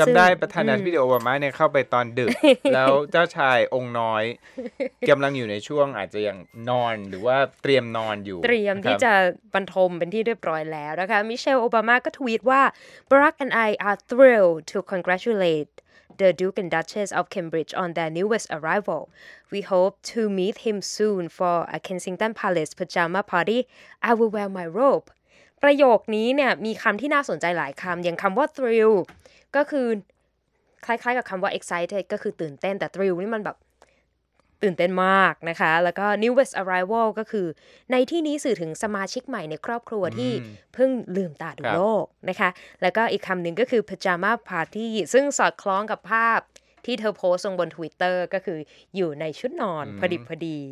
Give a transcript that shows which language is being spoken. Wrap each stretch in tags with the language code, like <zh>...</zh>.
<th>จำได้ประธานาธิบดีโอบามาเนี่ยเข้าไปตอนดึก แล้วเจ้าชายองค์น้อย กำลังอยู่ในช่วงอาจจะยังนอนหรือว่าเตรียมนอนอยู่ เตรียมที่จะบรรทมเป็นที่เรียบร้อยแล้วนะคะมิเชลโอบามาก็ทวีตว่า</th> <en>Barack and I are thrilled to congratulate the Duke and Duchess of Cambridge on their newest arrival. We hope to meet him soon for a Kensington Palace pajama party. I will wear my robe</en> <th>ประโยคนี้เนี่ยมีคำที่น่าสนใจหลายคำอย่างคำว่า thrill ก็คือ คล้ายๆกับคำว่า excited ก็คือตื่นเต้นแต่ thrill นี่มันแบบตื่นเต้นมากนะคะแล้วก็ newest arrival ก็คือในที่นี้สื่อถึงสมาชิกใหม่ในครอบครัวที่เพิ่งลืมตาดูโลกนะคะแล้วก็อีกคำหนึ่งก็คือ pajama party ซึ่งสอดคล้องกับภาพที่เธอโพสต์ลงบน Twitter ก็คืออยู่ในชุดนอนพอดิบพอดี</th>